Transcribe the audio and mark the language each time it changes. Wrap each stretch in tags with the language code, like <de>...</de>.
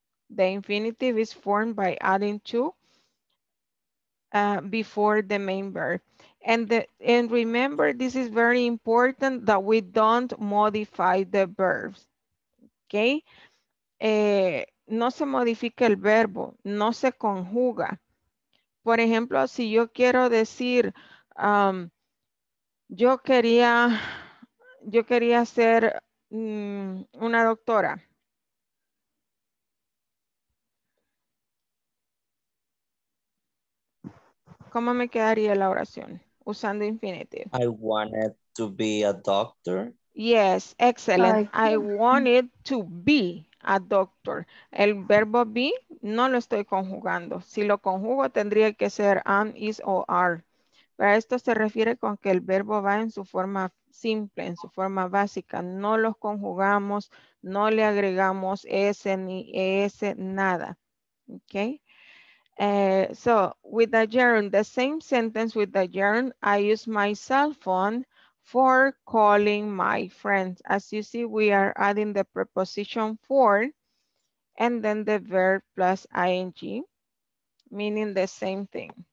<en>The infinitive is formed by adding to before the main verb. And remember, this is very important that we don't modify the verbs, okay?</en> <es>No se modifica el verbo, no se conjuga. Por ejemplo, si yo quiero decir, yo quería ser una doctora. ¿Cómo me quedaría la oración usando infinitive?</es> <en>I wanted to be a doctor. Yes, excellent. I wanted to be a doctor.</en> <es>El verbo be no lo estoy conjugando. Si lo conjugo tendría que ser am, is o are. Pero esto se refiere con que el verbo va en su forma simple, en su forma básica. No los conjugamos, no le agregamos s ni es, nada.</es> <en>Okay. So with the gerund, the same sentence with the gerund, I use my cell phone for calling my friends. As you see, we are adding the preposition for and then the verb plus ing, meaning the same thing.</en>